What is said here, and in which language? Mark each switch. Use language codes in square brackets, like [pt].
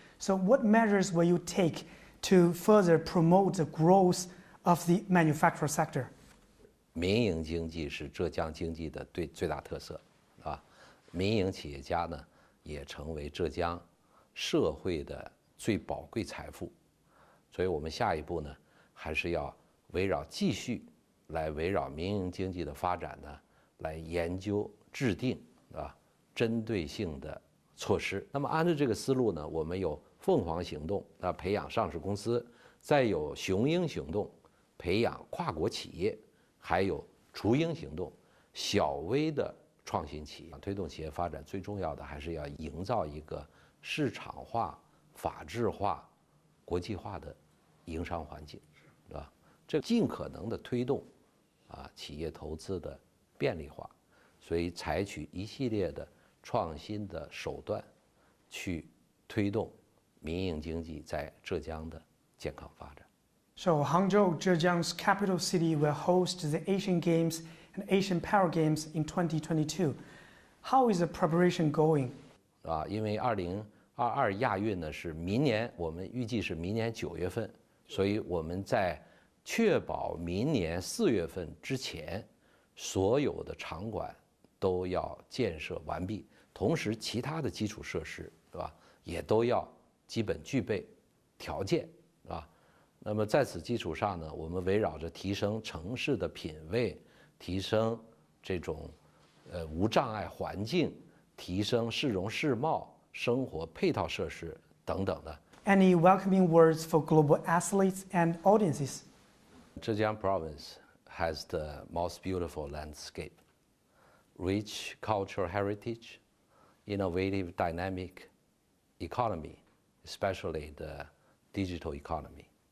[en] So what measures will you take to further promote the growth of the manufacturing sector? [zh] 民营经济是浙江经济的最大特色，啊，民营企业家呢也成为浙江社会的最宝贵财富。所以我们下一步呢还是要围绕继续来围绕民营经济的发展呢来研究制定啊针对性的措施。那么按照这个思路呢，我们有凤凰行动啊，培养上市公司，再有雄鹰行动，培养跨国企业，还有雏鹰行动，小微的创新企业。推动企业发展最重要的还是要营造一个市场化、法治化、国际化的营商环境，是吧？这尽可能的推动啊企业投资的便利化。所以采取一系列的创新的手段去推动民营经济在浙江的健康发展。 [en] So Hangzhou, Zhejiang's capital city, will host the Asian Games and Asian Para Games in 2022. How is the preparation going? [zh] 啊，因为2022亚运呢是明年，我们预计是明年9月份，所以我们在确保明年4月份之前所有的场馆都要建设完毕，同时其他的基础设施，对吧，也都要基本具备条件，啊，那么在此基础上呢，我们围绕着提升城市的品位，提升这种无障碍环境，提升市容市貌、生活配套设施等等的。 [en] Any welcoming words for global athletes and audiences? Zhejiang Province has the most beautiful landscape. Rich cultural heritage, innovative dynamic economy, especially the digital economy.